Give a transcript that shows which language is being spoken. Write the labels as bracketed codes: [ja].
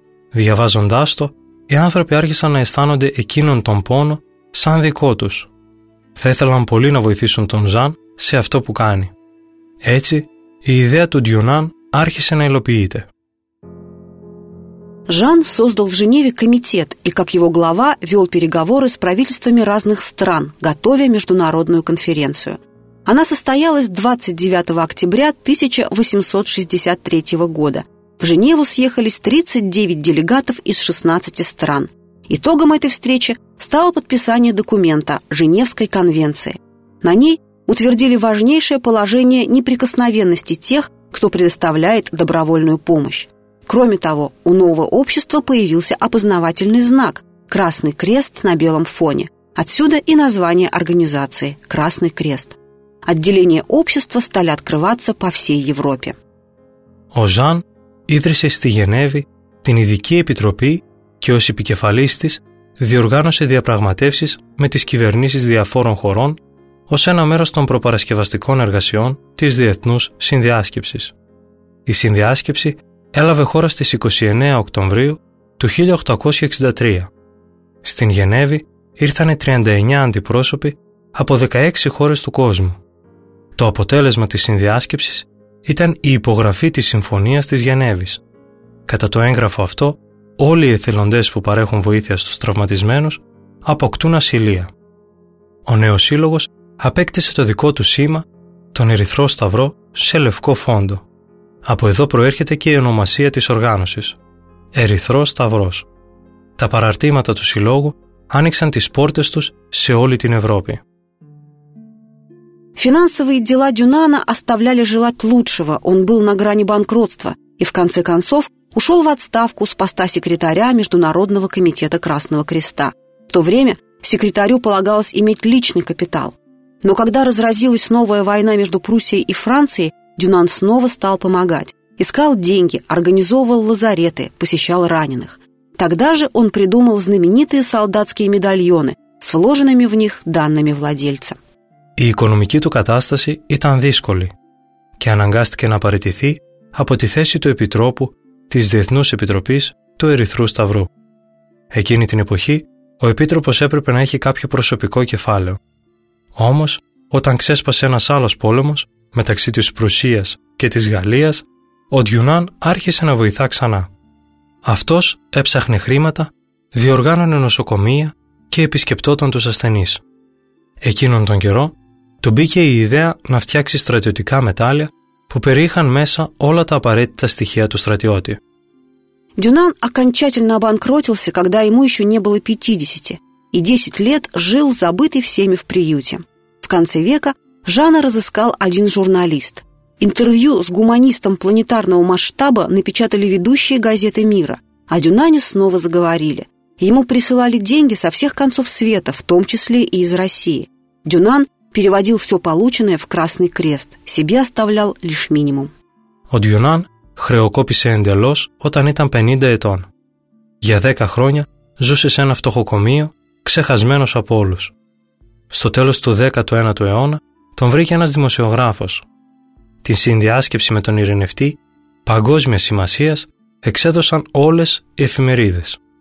[el] Διαβάζοντάς το, οι άνθρωποι άρχισαν να αισθάνονται εκείνον τον πόνο σαν δικό τους. Θα ήθελαν πολύ να βοηθήσουν τον Ζαν σε αυτό που κάνει. Έτσι, η ιδέα του Ντιουνάν άρχισε να υλοποιείται. [ru] Жан создал в Женеве комитет и, как его глава, вел переговоры с правительствами разных стран, готовя международную конференцию. Она состоялась 29 октября 1863 года. В Женеву съехались 39 делегатов из 16 стран. Итогом этой встречи стало подписание документа Женевской конвенции. На ней утвердили важнейшее положение неприкосновенности тех, кто предоставляет добровольную помощь. Кроме того, у нового общества появился опознавательный знак – Красный Крест на белом фоне. Отсюда и название организации – Красный Крест. Отделения общества стали открываться по всей Европе. [el] Ο Ζαν ίδρυσε στη Γενέβη την ειδική επιτροπή και ως επικεφαλής της διοργάνωσε διαπραγματεύσεις με τις κυβερνήσεις διαφόρων χωρών ως ένα μέρος των προπαρασκευαστικών εργασιών της Διεθνούς Συνδιάσκεψης. Η συνδιάσκεψη έλαβε χώρα στις 29 Οκτωβρίου του 1863. Στην Γενέβη ήρθανε 39 αντιπρόσωποι από 16 χώρες του κόσμου. Το αποτέλεσμα της συνδιάσκεψης ήταν η υπογραφή της Συμφωνίας της Γενέβης. Κατά το έγγραφο αυτό, όλοι οι εθελοντές που παρέχουν βοήθεια στους τραυματισμένους αποκτούν ασυλία. Ο νέος σύλλογος απέκτησε το δικό του σήμα, τον Ερυθρό Σταυρό, σε λευκό φόντο. Από εδώ προέρχεται και η ονομασία της οργάνωσης – Ερυθρός Σταυρός. Τα παραρτήματα του Συλλόγου άνοιξαν τις πόρτες τους σε όλη την Ευρώπη. [ru] Финансовые дела Дюнана оставляли желать лучшего. Он был на грани банкротства и, в конце концов, ушел в отставку с поста секретаря Международного комитета Красного Креста. В то время секретарю полагалось иметь личный капитал. Но когда разразилась новая война между Пруссией и Францией, Дюнан снова стал помогать. Искал деньги, организовывал лазареты, посещал раненых. Тогда же он придумал знаменитые солдатские медальоны с вложенными в них данными владельца. [el] Η οικονομική του κατάσταση ήταν δύσκολη και αναγκάστηκε να παραιτηθεί από τη θέση του Επιτρόπου της Διεθνούς Επιτροπής του Ερυθρού Σταυρού. Εκείνη την εποχή, ο Επίτροπος έπρεπε να έχει κάποιο προσωπικό κεφάλαιο. Όμως, όταν ξέσπασε ένας άλλος πόλεμος, μεταξύ της Προυσίας και της Γαλλίας, ο Ντιουνάν άρχισε να βοηθά ξανά. Αυτός έψαχνε χρήματα, διοργάνωνε νοσοκομεία και επισκεπτόταν τους ασθενείς. Εκείνον τον καιρό, του μπήκε η ιδέα να φτιάξει στρατιωτικά μετάλλια που περιείχαν μέσα όλα τα απαραίτητα στοιχεία του στρατιώτη. [ru] Дюнан окончательно обанкротился, когда ему еще не было 50, и 10 лет жил забытый всеми в приюте. В конце века Жана разыскал один журналист. Интервью с гуманистом планетарного масштаба напечатали ведущие газеты мира, а Дюнане снова заговорили. Ему присылали деньги со всех концов света, в том числе и из России. Дюнан переводил все полученное в Красный Крест, себе оставлял лишь минимум. [el] Ο Дюнан χρεοκόπησε εντελώς όταν ήταν 50 ετών. Για 10 χρόνια ζούσε σε ένα φτωχοκομείο, ξεχασμένος από όλους. Στο τέλος του 19ου αιώνα, τον βρήκε ένας δημοσιογράφος. τη συνδιάσκεψη με τον ειρηνευτή παγκόσμιας σημασίας εξέδωσαν όλες οι εφημερίδες.